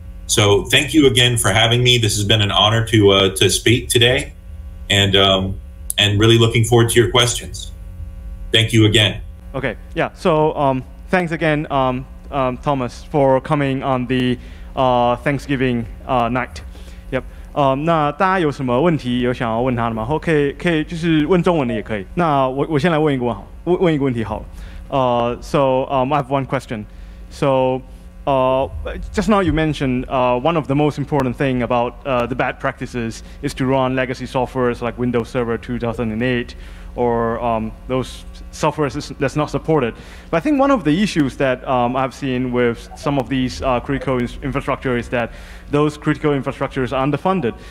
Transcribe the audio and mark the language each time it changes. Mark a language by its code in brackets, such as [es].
[en] So thank you again for having me. This has been an honor to speak today, and really looking forward to your questions. Thank you again. Okay. Yeah. So thanks again, Thomas, for coming on the Thanksgiving night. Yep. [zh] 那大家有什么问题有想要问他的吗？或可以就是问中文的也可以。那我先来问一个问一个问题好了。 [en] I have one question. So, just now you mentioned one of the most important thing about the bad practices is to run legacy softwares like Windows Server 2008 or those softwares that's not supported. But I think one of the issues that I've seen with some of these critical infrastructure is that those critical infrastructures are underfunded.